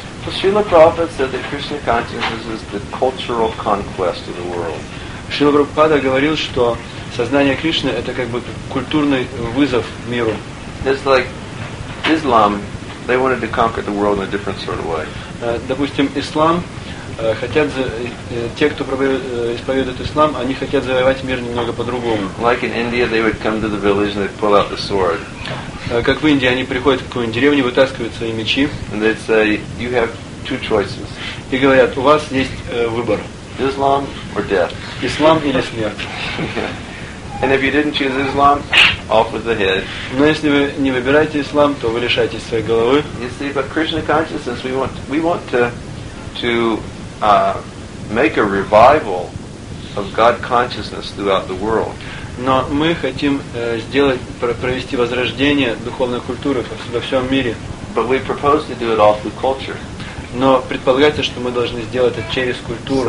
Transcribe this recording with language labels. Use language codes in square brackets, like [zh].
[en] Well, Srila Prabhupada said that Krishna consciousness is the cultural conquest of the world. [ru] Srila Prabhupada говорил, что сознание Кришны это как бы культурный вызов миру. [en] It's like Islam, they wanted to conquer the world in a different sort of way. [ru] Допустим, Ислам хотят, те, кто исповедует ислам, они хотят завоевать мир немного по-другому. [en] Like in India, they would come to the village and they'd pull out the sword. [ru] Как в Индии, они приходят в какую-нибудь деревню, вытаскивают свои мечи. [en] And they'd say, you have two choices. [ru] И говорят, у вас есть выбор. [en] Islam or death. [ru] Ислам или смерть. [en] Yeah. And if you didn't choose Islam, off with the head. [ru] Но если вы не выбираете ислам, то вы лишаетесь своей головы. [en] You see, but Krishna consciousness, we want to make a revival of God consciousness throughout the world. [ru] Но мы хотим провести возрождение духовной культуры во всем мире. [en] But we propose to do it all through culture. [ru] Но предполагается, что мы должны сделать это через культуру.